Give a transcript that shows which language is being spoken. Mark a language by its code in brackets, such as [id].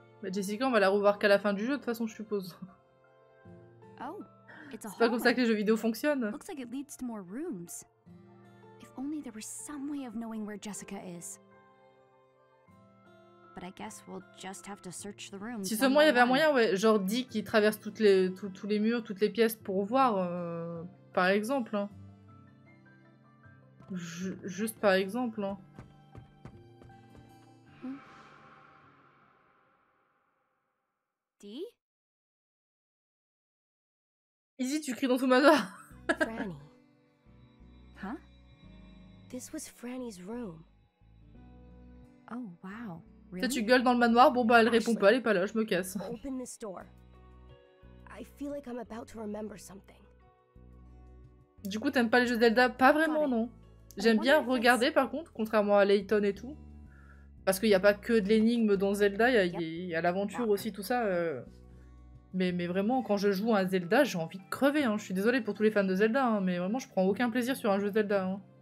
[fr] Jessica, on va la revoir qu'à la fin du jeu, de toute façon, je suppose. C'est pas comme ça que les jeux vidéo fonctionnent. [en] Looks like it leads to more rooms. If only there were some way of knowing where Jessica is. But I guess we'll just have to search the rooms. [fr] Si seulement il y avait un moyen, ouais, genre dit qu'il traverse toutes les tous les murs, toutes les pièces pour voir, par exemple. Hein. Juste par exemple. Hein. Izzy, tu cries dans tout ma gueule. [en] Franny. Huh? This was Franny's room. Oh wow. [fr] Si tu gueules dans le manoir, bon bah elle répond pas, elle est pas là, je me casse. [en] Open this door. I feel like I'm about to remember something. [fr] Du coup, t'aimes pas les jeux Zelda? Pas vraiment, non. J'aime bien regarder, par contre, contrairement à Layton et tout. Parce qu'il n'y a pas que de l'énigme dans Zelda, il y a l'aventure aussi, tout ça. Mais vraiment, quand je joue à un Zelda, j'ai envie de crever. Hein. Je suis désolée pour tous les fans de Zelda, hein, mais vraiment, je prends aucun plaisir sur un jeu Zelda. Hein.